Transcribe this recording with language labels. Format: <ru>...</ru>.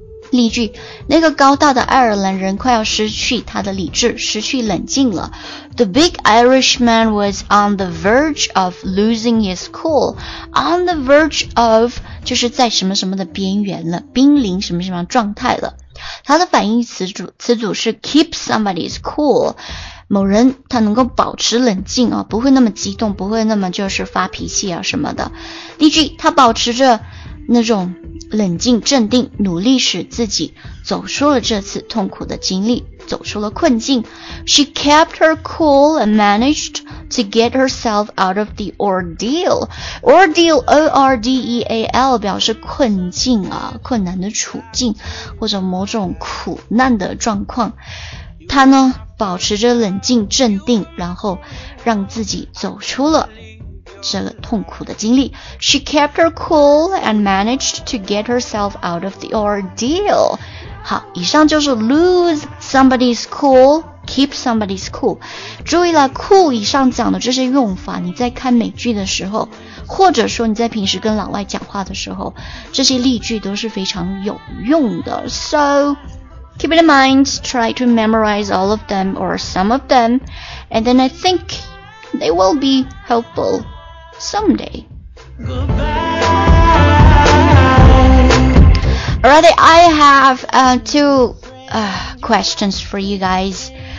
<zh>例句，那个高大的爱尔兰人快要失去他的理智，失去冷静了。</zh> <en>The big Irishman was on the verge of losing his cool. On the verge of,</en> <zh>就是在什么什么的边缘了，濒临什么什么状态了。他的反义词组是 keep somebody's cool。某人他能够保持冷静啊，不会那么激动，不会那么就是发脾气啊什么的。例句，他保持着那种冷静镇定，努力使自己走出了这次痛苦的经历，走出了困境。</zh> <en>She kept her cool and managed to get herself out of the ordeal.</en> <zh>Ordeal, O-R-D-E-A-L, 表示困境啊，困难的处境，或者某种苦难的状况。他呢保持着冷静镇定，然后让自己走出了这个痛苦的经历。</zh> <en>She kept her cool and managed to get herself out of the ordeal.</en> <zh>好，以上就是 lose somebody's cool, keep somebody's cool. 注意了， cool 以上讲的这些用法，你在看美剧的时候，或者说你在平时跟老外讲话的时候，这些例句都是非常有用的。</zh> <en>SoKeep it in mind, try to memorize all of them or some of them, and then I think they will be helpful someday. Alright, I have two questions for you guys.</en>